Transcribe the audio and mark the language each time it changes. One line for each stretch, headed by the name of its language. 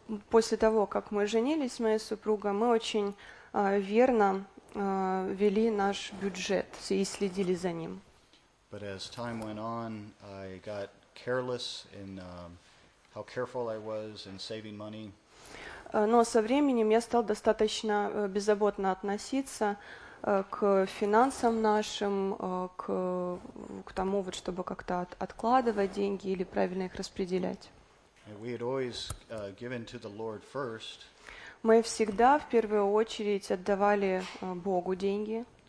Russian: После того, как мы женились, моя супруга, мы очень верно вели наш бюджет и следили за ним.
English: But as time went on, I got careless in how careful I was in saving money.
Russian: Но со временем я стал достаточно беззаботно относиться к финансам нашим, к тому, вот, чтобы как-то откладывать деньги или правильно их распределять.
English: We had always given to the Lord first.
Russian: Мы всегда в первую очередь отдавали Богу деньги.